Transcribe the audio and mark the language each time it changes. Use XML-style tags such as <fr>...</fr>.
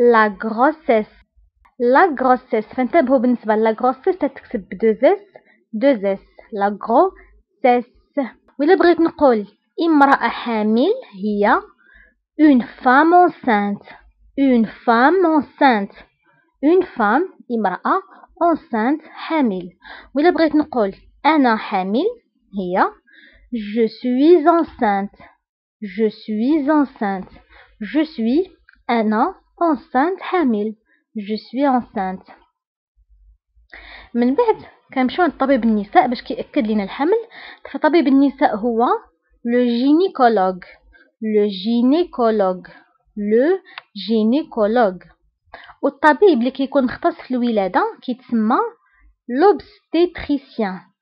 <fr>La grossesse. La grossesse.</fr> <ar>فانتبهوا بالنسبة</ar> <fr>la grossesse</fr> <ar>تتكتب بدوز اس. دوز اس.</ar> <fr>La grossesse.</fr> <ar>ولا بغيت نقول امرأة حامل هي</ar> <fr>une femme enceinte. Une femme enceinte. Une femme امرأة enceinte حامل.</fr> <ar>ولا بغيت نقول انا حامل هي</ar> <fr>je suis enceinte. Je suis enceinte. Je suis أنا enceinte حامل. Je suis enceinte.</fr> <ar>من بعد كنمشيو عند طبيب النساء باش كيأكد لينا الحمل. فطبيب النساء هو le gynécologue.</ar> <fr>Le gynécologue. Le gynécologue.</fr> <ar>والطبيب اللي كيكون مختص في الولادة كيتسمى l'obstétricien.</ar>